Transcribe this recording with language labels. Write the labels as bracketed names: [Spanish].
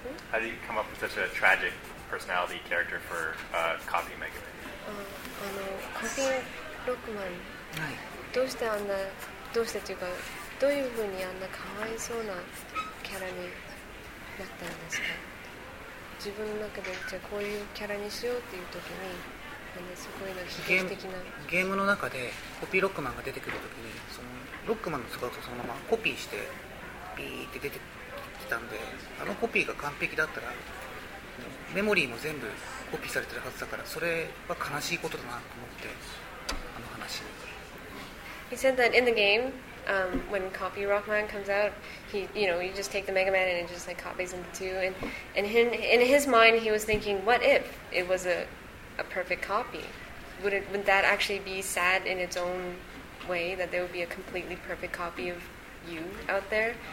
[English] How did you come up with such a tragic personality character for Copy Mega Man? Copy Rockman. [Japanese] どうしてあんな、どうしてというか、どういうふうにあんなかわいそうなキャラになったんですか？自分の中でじゃあこういうキャラにしようっていうときに、すごいな、悲劇的な。ゲームの中でコピーロックマンが出てくるときに、そのロックマンの姿をそのままコピーして、ピーって出てくる。あのコピーが完璧だったらメモリーも全部コピーされてるはずだから、それは悲しいことだなと思って、あの話に。 [English] He said that in the game, when Copy Rock Man comes out, he, you know, you just take the Mega Man and it just like copies into two. And in his mind, he was thinking, what if it was a perfect copy? Would that actually be sad in its own way, that there would be a completely perfect copy of you out there?